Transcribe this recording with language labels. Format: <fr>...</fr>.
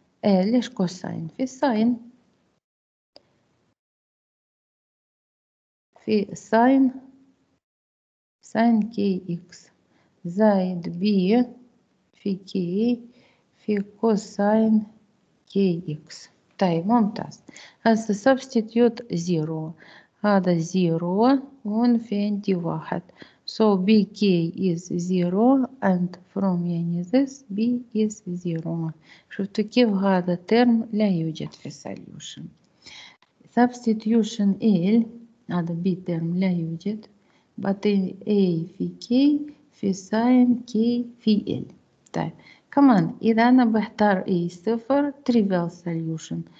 <ar>ليش كوساين؟ في الساين، في الساين، ساين كي إكس زايد بي في كي في كوساين كي إكس. طيب ممتاز. هسا سبستيتيوت زيرو، هذا زيرو وهون في عندي واحد.</ar> <en>So BK is zero and from يعني this B is zero.</en> <ar>شفتوا كيف هذا term لا يوجد في solution.</ar> <en>Substitution L هذا B term</en> <ar>لا يوجد.</ar> <en>But in A في K في sin K في L.</en> <ar>طيب كمان إذا أنا بختار A صفر trivial solution.</ar>